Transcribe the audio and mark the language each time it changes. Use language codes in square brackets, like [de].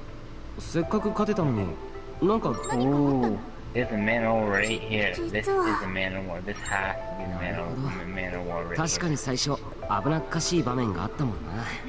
[ja] どうしたんだ?せっかく勝てたのに。 [en] There's a Manowar right here. This is a Manowar. This has to be a Manowar right here. [ja] 確かに最初危なっかしい場面があったもんな。